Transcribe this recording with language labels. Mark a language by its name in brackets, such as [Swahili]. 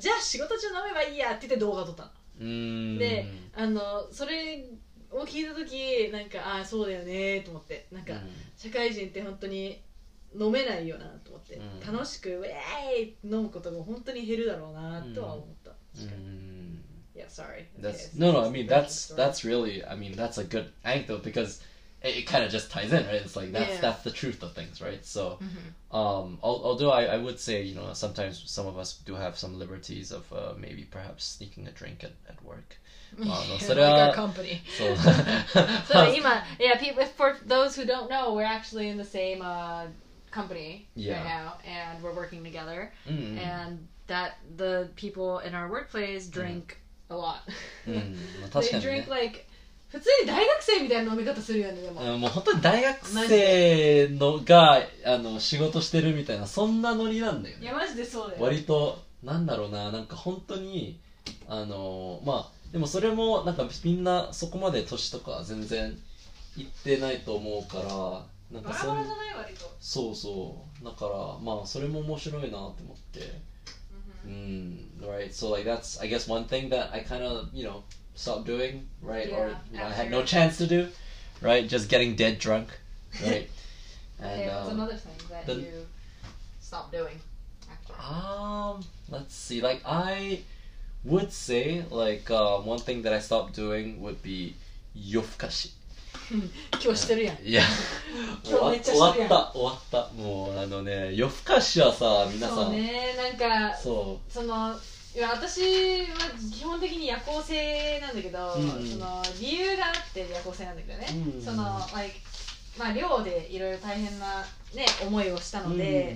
[Japanese] じゃあ仕事中飲めばいいやって言って動画撮ったの。うん、で、あの、それを聞いたとき、なんか、ああ、そうだよねと思って。なんか、うん、社会人って本当に飲めないよなと思って。うん、楽しく、ウェーイ飲むことが本当に減るだろうなとは思った。うん、確かに。うん、 [English] yeah, sorry. That's, okay, no, I mean, that's really, I mean, that's a good angle because,It kind of just ties in, right? It's like, that's the truth of things, right? So,、 mm-hmm. Although I would say, you know, sometimes some of us do have some liberties of、maybe perhaps sneaking a drink at work. like our company. So, so 今 yeah, for those who don't know, we're actually in the same、company、 yeah. right now, and we're working together.、 Mm-hmm. And that the people in our workplace drink、mm-hmm. a lot. 、mm-hmm. They drink like... [Japanese] 普通に大学生みたいな飲み方するよね、でも。もう本当に大学生のが、あの、仕事してるみたいな、そんなノリなんだよね。いや、マジでそうだよ。割と、なんだろうな、なんか本当に、あの、まあ、でもそれも、なんかみんなそこまで年とか全然行ってないと思うから、なんかそう。バラバラじゃない、割と。そうそう。だから、まあ、それも面白いなって思って。うん、 [English] right. So, like, that's, I guess, one thing that I kind of, you know,stop doing, right? Yeah, or you know, I had no chance to do, right? Just getting dead drunk, right? And, okay, what's another thing that the, you stopped doing after? Let's see, like I would say, like, one thing that I stopped doing would be 夜更かし. [Japanese] 今日してるやん。いや、今日めっちゃしてるやん。終わった。もうあのね、夜更かしはさ、皆さん。そうね、なんか、そう。その、いや、私は基本的に夜行性なんだけど、うん、その理由があって夜行性なんだけどね。うん、その、まあ寮でいろいろ大変なね思いをしたので、